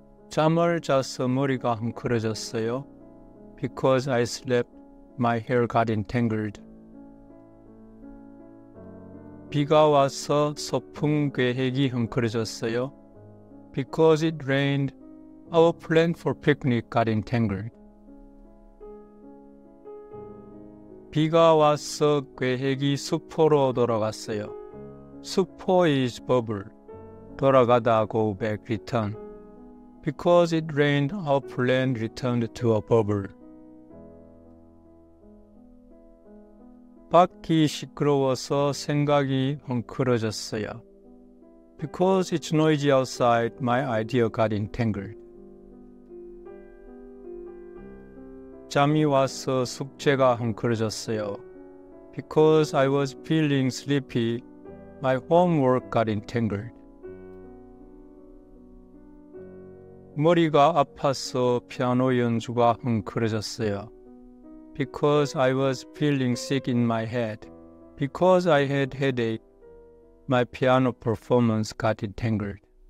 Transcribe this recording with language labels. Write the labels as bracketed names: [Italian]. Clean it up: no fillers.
[Korean] 잠을 자서 머리가 헝클어졌어요. [English] Because I slept, my hair got entangled. [Korean] 비가 와서 소풍 계획이 헝클어졌어요. [English] Because it rained, our plan for picnic got entangled. [Korean] 비가 와서 계획이 수포로 돌아갔어요. [English] Supo is bubble. 돌아가다 go back return. Because it rained, our plan returned to a bubble. [Korean] 밖이 시끄러워서 생각이 헝클어졌어요. [English] Because it's noisy outside, my idea got entangled. [Korean] 잠이 와서 숙제가 헝클어졌어요. [English] Because I was feeling sleepy, my homework got entangled. [Korean] 머리가 아파서 피아노 연주가 헝클어졌어요. [English] Because I was feeling sick in my head. Because I had headache, my piano performance got entangled.